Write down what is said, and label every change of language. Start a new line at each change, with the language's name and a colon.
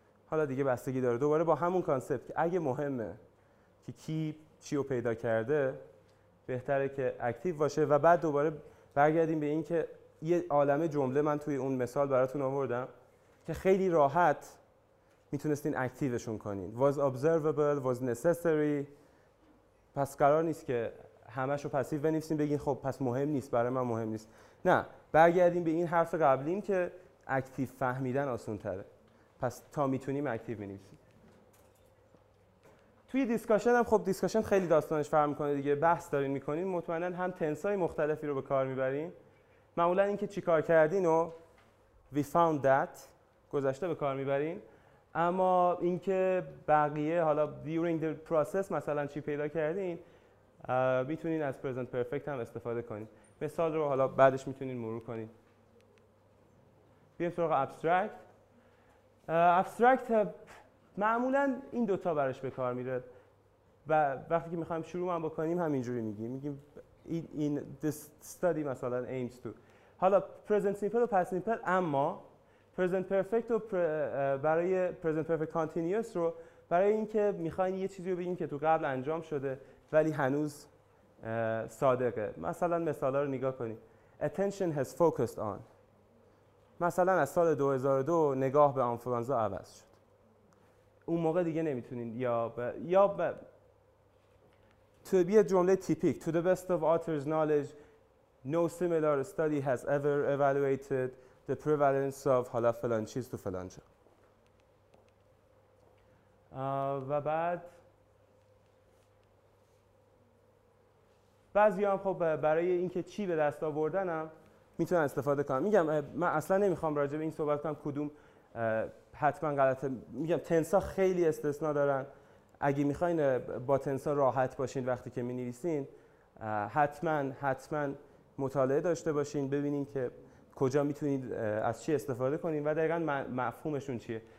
Persian: حالا دیگه بستگی داره، دوباره با همون کانسپت که اگه مهمه که کی چی رو پیدا کرده بهتره که اکتیو باشه. و بعد دوباره برگردیم به اینکه یه عالمه جمله من توی اون مثال براتون آوردم که خیلی راحت میتونستین اکتیوشون کنین.
English: was observable, was necessary.
Persian: پس قرار نیست که همه‌شو پسیو بنویسین بگین خب پس مهم نیست، برای من مهم نیست. نه، برگردیم به این حرف قبلیم که اکتیو فهمیدن آسان‌تره. پس تا میتونیم اکتیو بنویسیم. توی دیسکشن هم خب دیسکشن خیلی داستانش فرق می‌کنه دیگه. بحث دارین می‌کنین، مطمئناً هم تنس‌های مختلفی رو به کار می‌برین. معمولاً اینکه چیکار کردین و
English: we found that
Persian: گذشته به کار می‌برین. اما اینکه بقیه حالا
English: during the process
Persian: مثلا چی پیدا کردین میتونین از present perfect هم استفاده کنین. مثال رو حالا بعدش میتونین مرور کنین. بیایم سراغ abstract. abstract معمولا این دوتا برش به کار میره. و وقتی که میخوایم شروع هم بکنیم همینجوری میگیم.
English: میگیم in this study مثلا aims to.
Persian: حالا present simple و past simple، اما present perfect رو برای present perfect continuous رو برای اینکه میخواین یه چیزی رو بگین که تو قبل انجام شده ولی هنوز صادقه. مثلا مثالا رو نگاه کنین.
English: attention has focused on،
Persian: مثلا از سال 2002 نگاه به آنفلانزا عوض شد. اون موقع دیگه نمیتونین یا to be a جمله typical.
English: to the best of author's knowledge no similar study has ever evaluated the prevalence of
Persian: حالا فلان چیز تو فلان جا. و بعد بعضی هم خب برای اینکه چی به دست آوردنم میتونم استفاده کنم. میگم من اصلا نمیخوام راجع به این صحبت کنم کدوم حتما غلطه. میگم تنسا خیلی استثناء دارن. اگه میخواین با تنسا راحت باشین وقتی که مینویسین حتما حتما مطالعه داشته باشین، ببینین که کجا میتونید از چی استفاده کنید و دقیقاً مفهومشون چیه.